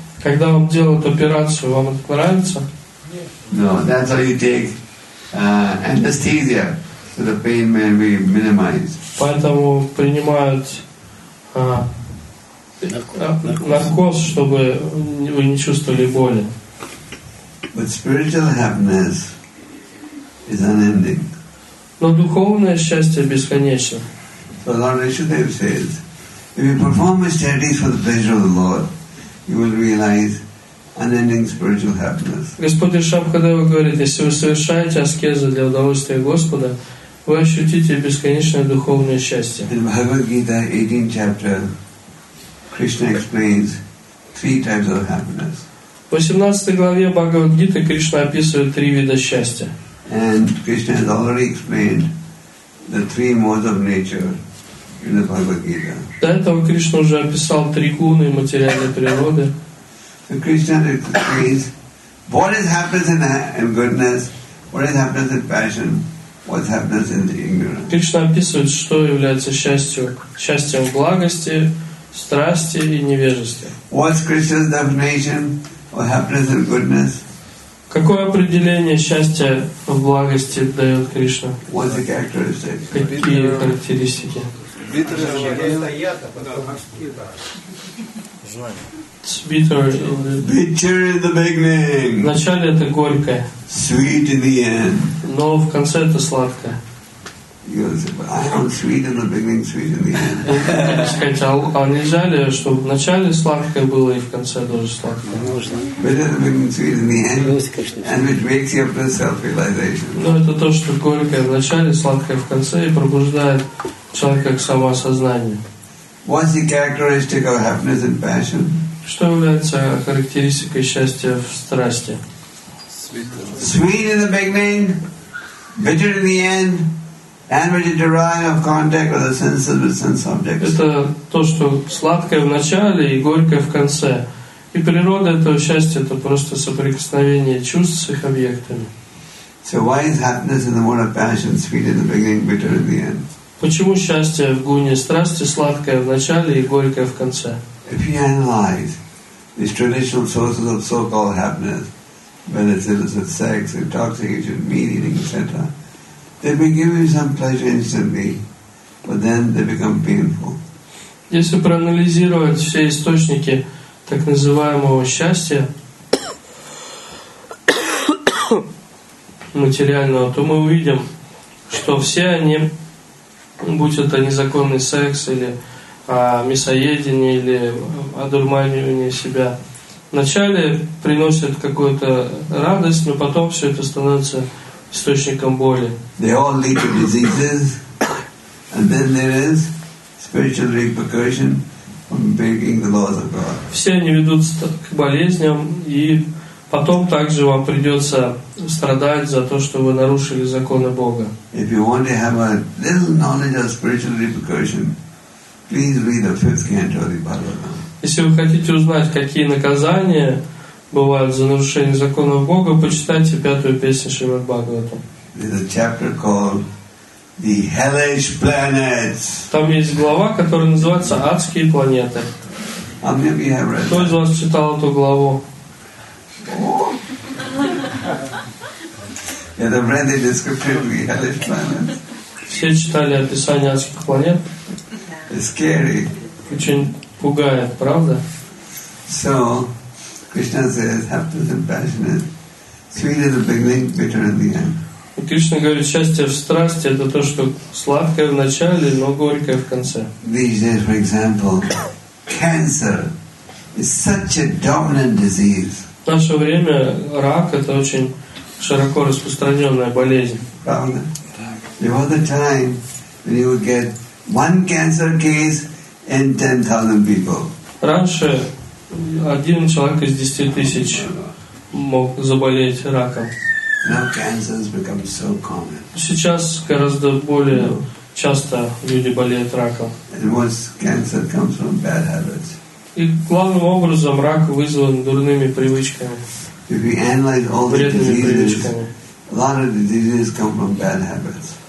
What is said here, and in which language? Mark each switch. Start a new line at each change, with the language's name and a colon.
Russian: Когда вам делают операцию, вам это нравится?
English: No, that's how you take anesthesia, so the pain may be minimized.
Russian: Поэтому принимают наркоз, чтобы вы не чувствовали боли.
English: But spiritual happiness is unending.
Russian: Но духовное счастье бесконечно.
English: So Lord Vishudev says, if you perform austerities for the pleasure of the Lord, you will realize unending spiritual happiness.
Russian: Господь Шабхадева говорит, если вы совершаете аскезу для удовольствия Господа, вы ощутите бесконечное духовное счастье.
English: In Bhagavad Gita, 18th chapter, Krishna explains three types of happiness.
Russian: В 18 главе Бхагавад Гиты Кришна описывает три вида счастья.
English: And Krishna has already explained the three modes of nature in the Bhagavad Gita.
Russian: До этого Кришна уже описал три гуны материальной природы.
English: So Krishna explains what is happiness in goodness, what is happiness in passion, what is happiness in ignorance.
Russian: Кришна описывает, что является счастьем в благости, страсти и невежестве.
English: What's Krishna's definition of happiness and goodness?
Russian: Какое определение счастья в благости дает Кришна?
English: What's the characteristic?
Russian: Какие характеристики?
English: Bitter in the beginning.
Russian: В начале это горькое.
English: Sweet in the end.
Russian: Но в конце это сладкое.
English: I want sweet in the beginning, sweet in the end.
Russian: Сказать, а нельзя ли, чтобы в начале сладкое было и в конце тоже сладкое? Можно.
English: Bitter in the beginning, sweet in the end. And which makes you up to self-realization.
Russian: Но это то, что горькое в начале, сладкое в конце и пробуждает человека к самоосознанию.
English: What's the characteristic of happiness and passion?
Russian: Что является характеристикой счастья в страсти?
English: Sweet in the beginning, bitter in the end, and which is derived of contact with the senses with sense objects.
Russian: Это то, что сладкое в начале и горькое в конце. И природа этого счастья это просто соприкосновение чувств с их объектами.
English: So why is happiness in the mode of passion sweet in the beginning, bitter in the end?
Russian: Почему счастье в гуне страсти сладкое в начале и горькое в конце?
English: If you analyze these traditional sources of so-called happiness, whether it's illicit sex, intoxication, meat eating, etc., they may give you some pleasure instantly, but then they become painful.
Russian: Если проанализировать все источники так называемого счастья материального, то мы увидим, что все они, будь это незаконный секс или мясоедение или одурманивание себя. Вначале приносят какую-то радость, но потом все это становится источником боли.
English: They all lead to diseases, and then there is spiritual repercussion from breaking the laws of God.
Russian: Все они ведут к болезням, и потом также вам придется страдать за то, что вы нарушили законы Бога.
English: If you want to have a little knowledge of spiritual repercussion, please read the fifth canto of the Bhagavad.
Russian: Если вы хотите узнать, какие наказания бывают за нарушение законов Бога, почитайте пятую песню Шримад Бхагаватам.
English: There's a chapter called the Hellish Planets.
Russian: Там есть глава, которая называется «Адские планеты».
English: How many of you have read?
Russian: Кто из вас читал эту главу?
English: Oh. Yeah, they've read the description of the Hellish Planets.
Russian: Все читали описание адских планет.
English: It's scary.
Russian: Очень пугает, правда?
English: So, Krishna says, have to be passionate. Sweet in the beginning, bitter in the end.
Russian: И Кришна говорит, счастье в страсти — это то, что сладкое в начале, но горькое в конце.
English: These days, for example, cancer is such a dominant disease.
Russian: В наше время рак — это очень широко распространенная болезнь. Правда?
English: There was a time when you would get one cancer case in 10,000 people.
Russian: Раньше один человек из 10,000 мог заболеть раком.
English: Now cancer has become so common.
Russian: Сейчас гораздо более часто люди болеют раком.
English: And most cancer comes from bad habits.
Russian: И главным образом рак вызван дурными привычками.
English: If we analyze all the diseases, a lot of the diseases come from bad habits.